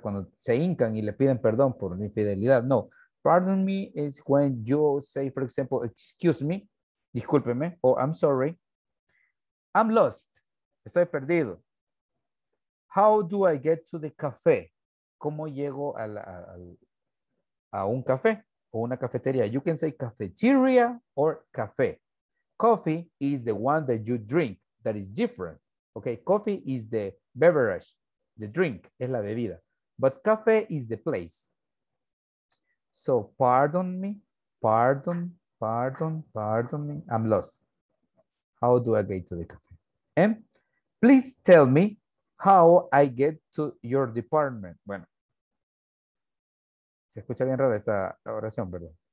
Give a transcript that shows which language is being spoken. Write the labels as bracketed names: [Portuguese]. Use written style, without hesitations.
[Spanish] Cuando se hincan y le piden perdón por la infidelidad. No. [English] Pardon me is when you say, for example, excuse me, [Spanish] discúlpeme, [English] or I'm sorry. I'm lost. [Spanish] Estoy perdido. [English] How do I get to the cafe? [Spanish] ¿Cómo llego a un café o una cafetería? [English] You can say cafeteria or café. Coffee is the one that you drink. That is different. Okay, coffee is the beverage. The drink [Spanish] es la bebida. [English] But café is the place. So pardon me. Pardon me. I'm lost. How do I get to the cafe? And please tell me how I get to your department. [Spanish] Bueno, se escucha bien rara esta oración, ¿verdad?